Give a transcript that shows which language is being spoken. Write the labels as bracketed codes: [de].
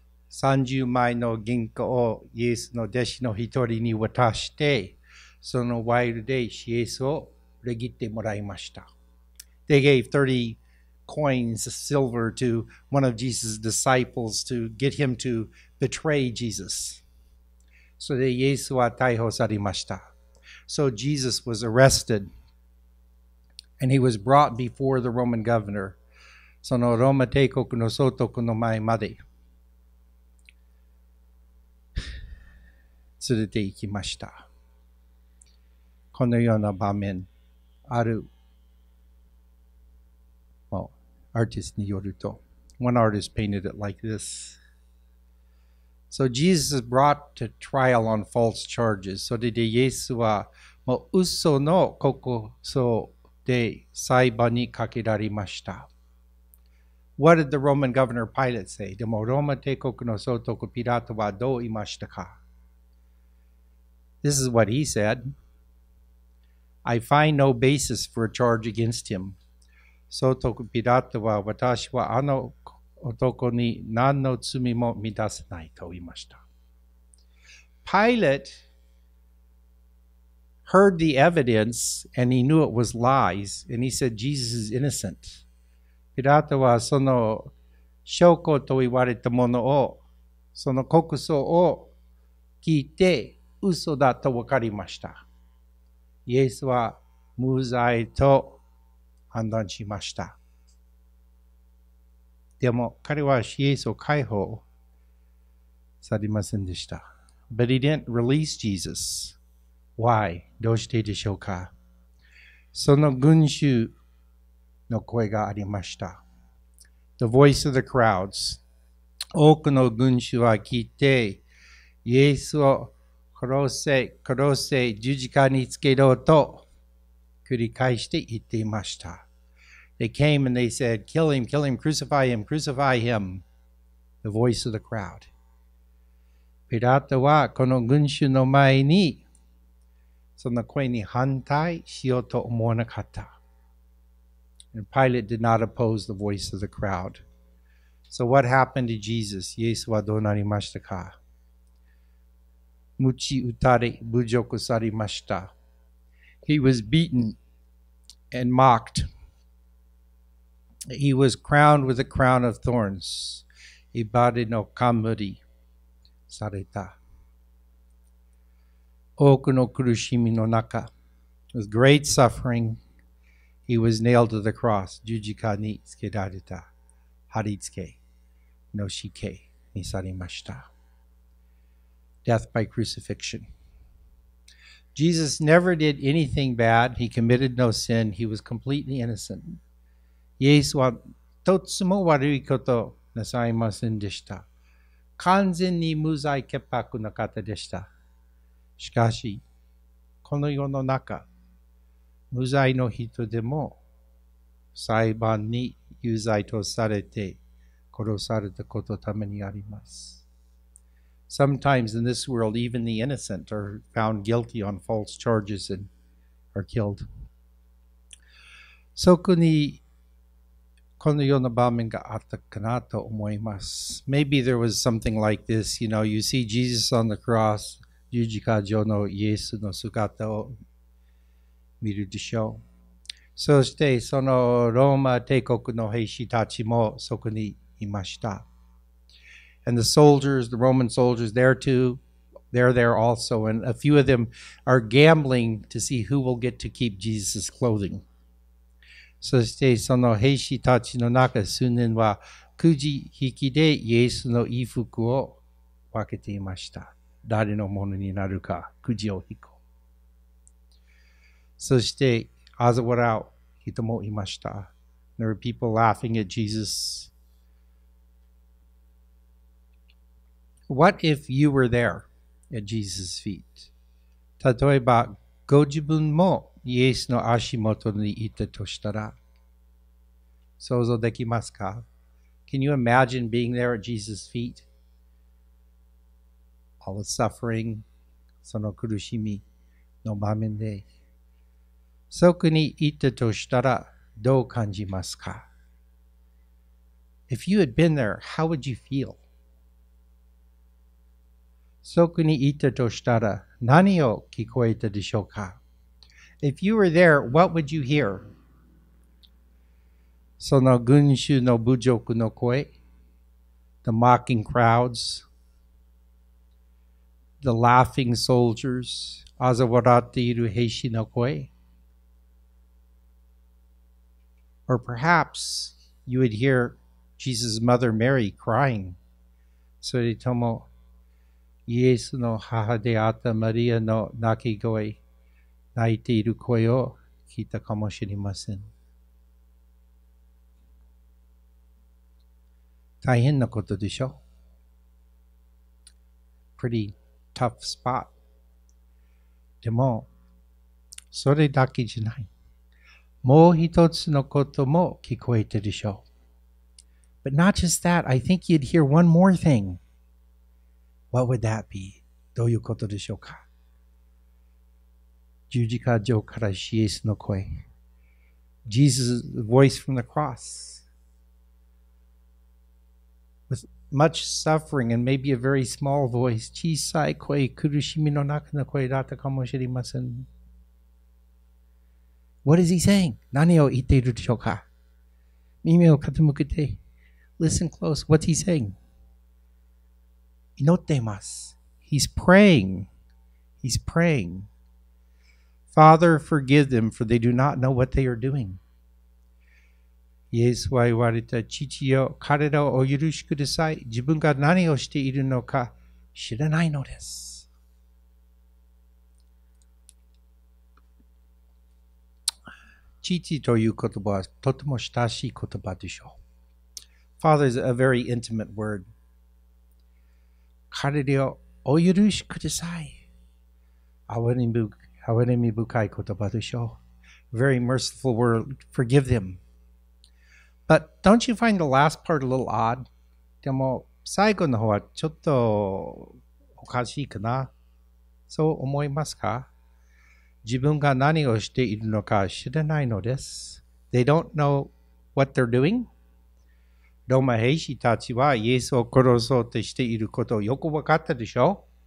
[ja] 30枚の銀貨をイエスの弟子の一人に渡して、そのワイルでイエスを裏切ってもらいました。 [en] They gave 30 coins, silver, to one of Jesus' disciples to get him to betray Jesus. [ja] So でイエスは逮捕されました。 [en] So Jesus was arrested and he was brought before the Roman governor. [ja] そのローマ帝国の総督の前まで。連れて行きました。このような場面ある。 [en] Well, artist [ja] によると、 [en] one artist painted it like this. So Jesus is brought to trial on false charges. [ja] それでイエスはもう嘘の告訴で裁判にかけられました。 [en] What did the Roman governor Pilate say? [ja] でもローマ帝国の総督ピラトはどう言いましたか? [en] This is what he said. I find no basis for a charge against him. [ja] 総督ピラトは、私はあの男に何の罪も見出せないと言いました。 [en] Pilate heard the evidence and he knew it was lies and he said Jesus is innocent. [ja] ピラトはその証拠と言われたものを、その告訴を聞いて嘘だと分かりました。イエスは無罪と判断しました。でも彼はイエスを解放されませんでした。 [en] But he didn't release Jesus. Why? [ja] どうしてでしょうか? その群衆の声がありました。 [en] The voice of the crowds. [ja] 多くの群衆は聞いて、イエスを殺せ、殺せ、十字架につけろと繰り返して言っていました。 [en] They came and they said, kill him, kill him, crucify him, crucify him. The voice of the crowd. [ja] ピラトはこの群衆の前に、その声に反対しようと思わなかった。 [en] And Pilate did not oppose the voice of the crowd. So what happened to Jesus? [ja] イエスはどうなりましたか?鞭打たれ、侮辱されました。 [en] He was beaten and mocked. He was crowned with a crown of thorns. [ja] イバリの冠された。多くの苦しみの中、 [en] with great suffering,He was nailed to the cross. [ja] 十字架につけられた。貼り付けの死刑にされました。 [en] Death by crucifixion. Jesus never did anything bad. He committed no sin. He was completely innocent. [ja] イエスはとつも悪いことなさいませんでした。完全に無罪潔白の方でした。しかし、この世の中、無罪の人でも裁判に有罪とされて殺されたことためにあります。 [en] Sometimes in this world, even the innocent are found guilty on false charges and are killed. [ja] そこにこのような場面があったかなと思います。 [en] Maybe there was something like this, you know, you see Jesus on the cross, [ja] 十字架上のイエスの姿を見るでしょう。そしてそのローマ帝国の兵士たちもそこにいました。 [en] And the soldiers, the Roman soldiers there too, they're there also, and a few of them are gambling to see who will get to keep Jesus' clothing. [ja] そしてその兵士たちの中、数人はくじ引きでイエスの衣服を分けていました。誰のものになるか、くじを引く。そして、あざ笑う人もいました。 [en] There were people laughing at Jesus. What if you were there at Jesus' feet? [ja] 例えば、ご自分もイエスの足元にいたとしたら、想像できますか? [en] Can you imagine being there at Jesus' feet? All the suffering, [ja] その苦しみの場面で、そこに行ったとしたらどう感じますか? [en] If you had been there, how would you feel? [ja] そこに行ったとしたら何を聞こえたでしょうか? [en] If you were there, what would you hear? [ja] その群衆の侮辱の声, [en] the mocking crowds, the laughing soldiers, [ja] あざ笑っている兵士の声。 [en] Or perhaps you would hear Jesus' mother Mary crying. [ja] それともイエスの母であったマリアの泣き声、泣いている声を聞いたかもしれません。大変なことでしょ? [en] Pretty tough spot. [ja] でも、それだけじゃない。もう一つのことも聞こえてるでしょ? [en] But not just that, I think you'd hear one more thing. What would that be? [ja] どういうことでしょうか? 十字架上からイエスの声。 [en] Jesus' voice from the cross. Much suffering and maybe a very small voice. [ja] 小さい声、苦しみの中の声だったかもしれません。 [en] What is he saying? [ja] 何を言っているでしょうか? 耳を傾けて。 [en] Listen close. What's he saying? [ja] 祈っています。 [en] He's praying. He's praying. Father, forgive them, for they do not know what they are doing. [ja] イエスは言われた、父よ、彼らをお許しください。自分が何をしているのか知らないのです。父という言葉はとても親しい言葉でしょう。 [en] Father is a very intimate word. [ja] 彼らをお許しください。憐れみ深い言葉でしょう。 [en] Very merciful word. Forgive them. But don't you find the last part a little odd? [ja] でも最後の方はちょっとおかしいかな。そう思いますか?自分が何をしているのか知らないのです。 [en] They don't know what they're doing? [ja] ローマ兵士たちはイエスを殺そうとしていることをよく分かったでしょ?